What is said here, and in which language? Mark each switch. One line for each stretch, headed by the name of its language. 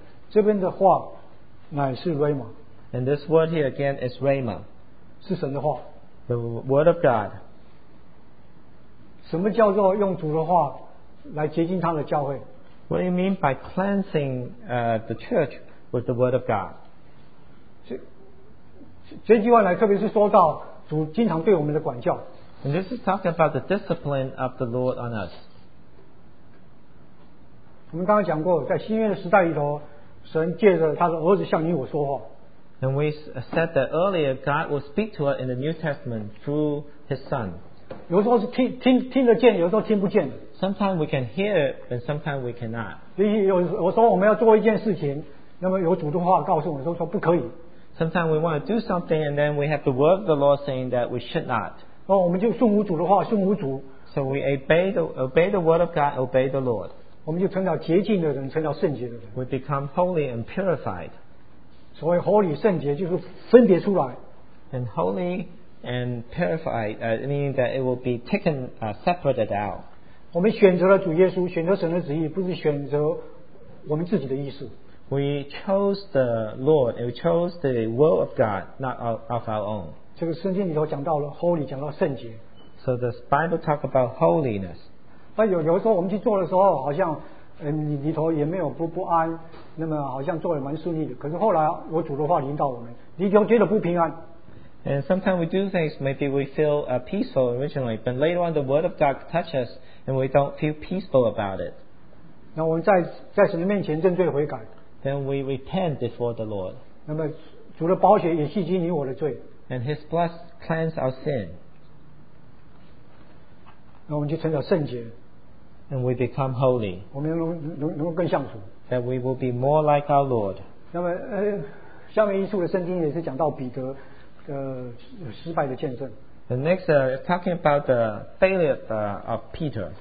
Chinese: 这边的话乃是 rhema.
English: And this word here again is rhema.
Chinese: 是神的话。
English: The word of God.
Chinese: 什么叫做用主的话来洁净他的教会？
English: What do you mean by cleansing the church with the word of God?
Chinese: 这句话乃特别是说到主经常对我们的管教。
English: And this is talking about the discipline of the Lord on us.
Chinese: 我们刚刚讲过，在新约的时代里头，神借着他的儿子向你我说话。
English: And we said that earlier, God will speak to us in the New Testament through His Son.
Chinese: 有时候是听得见，有时候听不见。
English: Sometimes we can hear it, and sometimes we cannot.
Chinese: 所以有时候我们要做一件事情，那么有主的话告诉我们说不可以。
English: Sometimes we want to do something, and then we have the word of the Lord saying that we should not.
Chinese: 哦，我们就顺服主的话，顺服主。
English: So we obey the word of God, obey the Lord.
Chinese: 我们就成了洁净的人，成了圣洁的人。
English: We become holy and purified.
Chinese: 所谓 holy 圣洁，就是分别出来。
English: And holy and purified, meaning that it will be taken separated out.
Chinese: 我们选择了主耶稣，选择神的旨意，不是选择我们自己的意思。
English: We chose the Lord, and we chose the will of God, not of our own.
Chinese: 这个圣经里头讲到了 holy， 讲到圣洁。
English: So the Bible talk about holiness。
Chinese: 那有时候我们去做的时候，好像你里头也没有不安，那么好像做得蛮顺利的。可是后来我主的话临到我们，你就觉得不平安。
English: And sometimes we do things, maybe we feel peaceful originally, but later on the word of God touches and we don't feel peaceful about it。
Chinese: 那我们在神的面前认罪悔改。
English: Then we repent before the Lord。
Chinese: 那么主的宝血也洗净你我的罪。
English: And His blood cleanses our sin.
Chinese: 那我们就成了圣洁。
English: And we become holy.
Chinese: 我们能够更像主。
English: That we will be more like our Lord.
Chinese: 那么下面一处的圣经也是讲到彼得的失败的见证。
English: The next is talking about the failure of Peter.